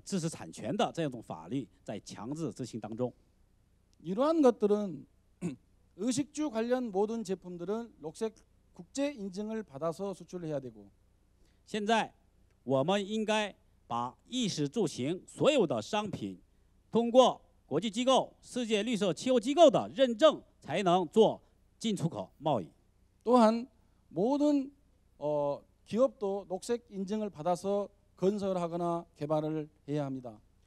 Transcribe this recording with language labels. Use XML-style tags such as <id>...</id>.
<zh>2006년开始，各个国家现在目前强制执行设计法、商标法以及其他知识产权法等等诸如此类的用户这个知识产权的这种法律在强制执行当中。</zh> <ko>이러한 것들은 의식주 관련 모든 제품들은 녹색 국제 인증을 받아서 수출을 해야 되고.</ko> <zh>现在我们应该把衣食住行所有的商品通过国际机构、世界绿色气候机构的认证才能做进出口贸易。</zh> <ko>또한 모든 기업도 녹색 인증을 받아서 건설하거나 개발을 해야 합니다.</ko>